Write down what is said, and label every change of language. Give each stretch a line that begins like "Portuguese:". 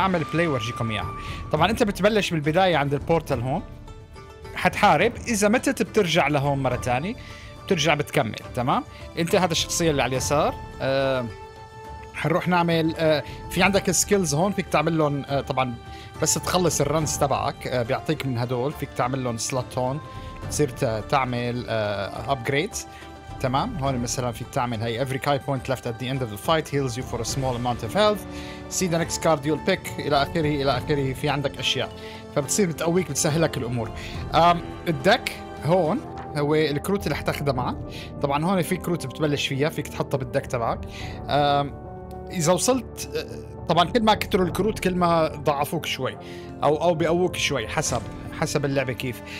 Arabic: هعمل بلاي وارجيكم اياها. طبعا انت بتبلش بالبداية عند البورتال هون، حتحارب، اذا متت بترجع لهون مرة تانية ترجع بتكمل. تمام، انت هذا الشخصيه اللي على اليسار. حنروح نعمل في عندك سكيلز هون فيك تعمل لهم، طبعا بس تخلص الرنز تبعك بيعطيك من هدول، فيك تعمل لهم سلوت هون صرت تعمل ابجريد. تمام، هون مثلا فيك تعمل هاي
English: every high point left at the end of the fight heals you for a small amount of health, see the next card you'll pick
Arabic: الى اخره الى اخره. في عندك اشياء فبتصير بتقويك بتسهلك الامور. الدك هون هو الكروت اللي حتاخده معك. طبعا هون في كروت بتبلش فيها فيك تحطها بالدك تبعك. اذا وصلت طبعا كل ما كتروا الكروت كل ما ضعفوك شوي او بيقووك شوي حسب اللعبه كيف.